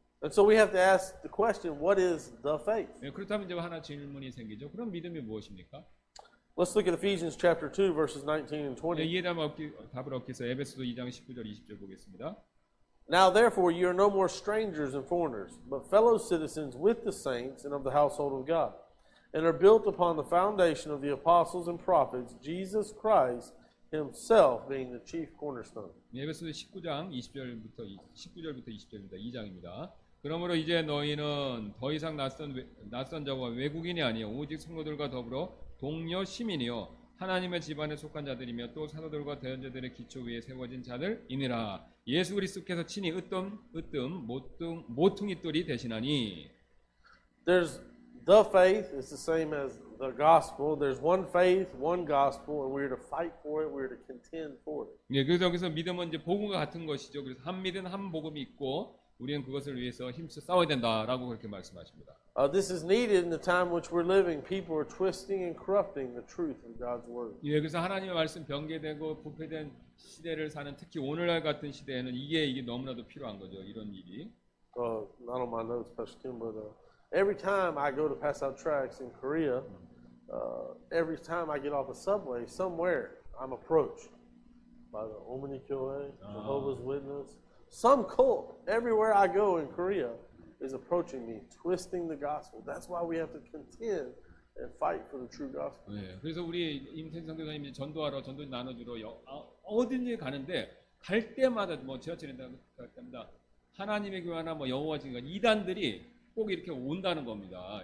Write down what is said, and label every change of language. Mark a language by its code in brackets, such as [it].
[en] And so we have to ask the question, what is the faith? [ko] 그렇다면 이제 하나 질문이 생기죠. 그럼 믿음이 무엇입니까? [en] Let's look at Ephesians chapter 2 verses 19 and 20. [ko] 이해 답을 얻기 위해서 에베소서 2장 19절 20절 보겠습니다. [en] Now therefore you are no more strangers and foreigners, but fellow citizens with the saints and of the household of God, and are built upon the foundation of the apostles and prophets, Jesus Christ himself being the chief cornerstone. [ko] 에베소서 19장 20절부터 19절부터 20절입니다. 2장입니다. 그러므로 이제 너희는 더 이상 낯선 자와 외국인이 아니요 오직 성도들과 더불어 동료 시민이요 하나님의 집안에 속한 자들이며 또 사도들과 대언자들의 기초 위에 세워진 자들이니라. 예수 그리스도께서 친히 으뜸 모퉁이 돌이 되시나니. [en] There's the faith. It's the same as the gospel. There's one faith, one gospel, and we're to fight for it. We're to contend for it. [ko] 예, 그래서 여기서 믿음은 이제 복음과 같은 것이죠. 그래서 한 믿음 한 복음이 있고 우리는 그것을 위해서 힘써 싸워야 된다라고 그렇게 말씀하십니다. [en] This is needed in the time which we're living. People are twisting and corrupting the truth of God's word. [ko] 예, 그래서 하나님의 말씀 변개되고 부패된 시대를 사는 특히 오늘날 같은 시대에는 이게 너무나도 필요한 거죠. 이런 일이. [en] Not on my notes, Pastor Kim, but every time I go to pass out tracts in Korea, every time I get off a subway somewhere, I'm approached by the Omni Kyoe, Jehovah's Witness, some cult. Everywhere I go in Korea. Is approaching me, twisting the gospel. That's why we have to contend and fight for the true gospel. [ko] 네, 그래서 우리 임태인 선교사님이 전도하러 전도인 나눠주러 어디든지 가는데 갈 때마다 뭐 지하철에 갈 때마다 하나님의 교회나 뭐 여호와 증인 이단들이 꼭 이렇게 온다는 겁니다.